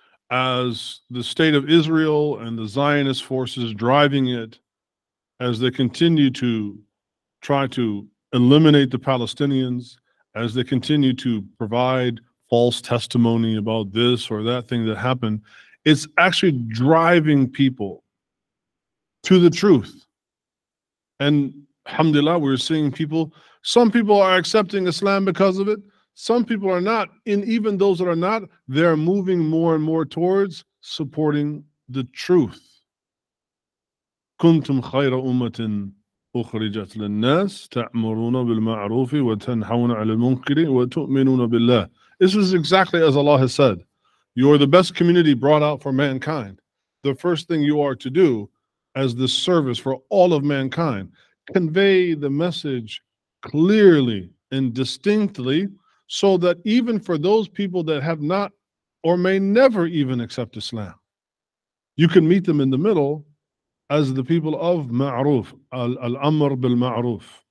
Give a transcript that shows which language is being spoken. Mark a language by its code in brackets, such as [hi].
[en] As the state of Israel and the Zionist forces driving it, as they continue to try to eliminate the Palestinians, as they continue to provide false testimony about this or that thing that happened, it's actually driving people to the truth. And alhamdulillah, we're seeing people, some people are accepting Islam because of it, some people are not, and even those that are not, they're moving more and more towards supporting the truth. [ar] كنتم خير أمة أخرجت للناس تأمرون بالمعروف وتنهون عن المنكر وتؤمنون بالله. [en] This is exactly as Allah has said. You are the best community brought out for mankind. The first thing you are to do as the service for all of mankind, convey the message clearly and distinctly so that even for those people that have not or may never even accept Islam, you can meet them in the middle as the people of Ma'ruf, Al-Amr Bil-Ma'ruf.